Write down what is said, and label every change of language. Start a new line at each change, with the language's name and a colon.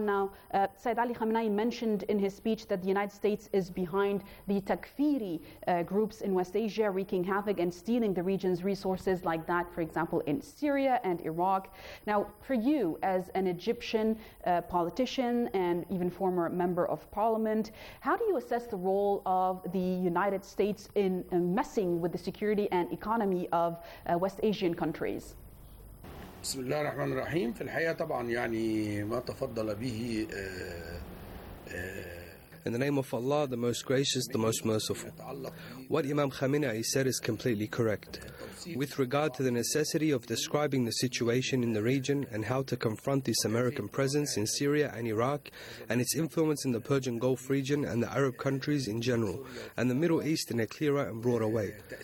English: Now, Sayyid Ali Khamenei mentioned in his speech that the United States is behind the Takfiri groups in West Asia wreaking havoc and stealing the region's resources like that, for example, in Syria and Iraq. Now, for you, as an Egyptian politician and even former member of parliament, how do you assess the role of the United States in messing with the security and economy of West Asian countries?
Arabic: بسم الله الرحمن الرحيم. في الحقيقة طبعا يعني ما تفضل به
English: In the name of Allah, the Most Gracious, the Most Merciful. What Imam Khamenei said is completely correct. With regard to the necessity of describing the situation in the region and how to confront this American presence in Syria and Iraq and its influence in the Persian Gulf region and the Arab countries in general and the Middle East in a clearer and broader way.